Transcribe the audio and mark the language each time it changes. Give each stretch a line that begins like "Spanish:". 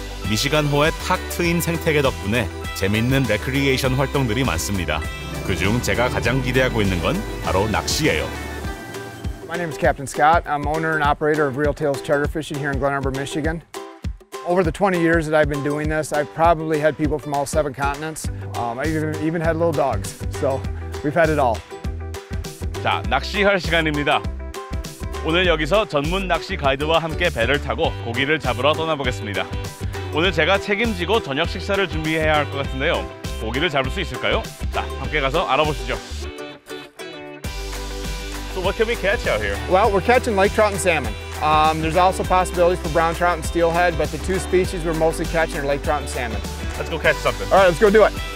Korean: 미시간호의 탁 트인 생태계 덕분에 재미있는 레크리에이션 활동들이 많습니다. 그중 제가 가장 기대하고 있는 건 바로 낚시예요.
English: My name is Captain Scott. I'm owner and operator of Real Tales Charter Fishing here in Glen Arbor, Michigan. Over the 20 years that I've been doing this, I've probably had people from all seven continents. I even had little dogs. So we've had it all.
Korean: 자, 낚시할 시간입니다. 오늘 여기서 전문 낚시 가이드와 함께 배를 타고 고기를 잡으러 떠나보겠습니다. 오늘 제가 책임지고 저녁 식사를 준비해야 할 것 같은데요. 고기를 잡을 수 있을까요? 자, 함께 가서 알아보시죠.
English: So what can we catch out here? Well, we're catching lake trout and salmon. There's also possibilities for brown trout and steelhead, but the two species we're mostly catching are lake trout and salmon. Let's go catch something. All right, let's go do it.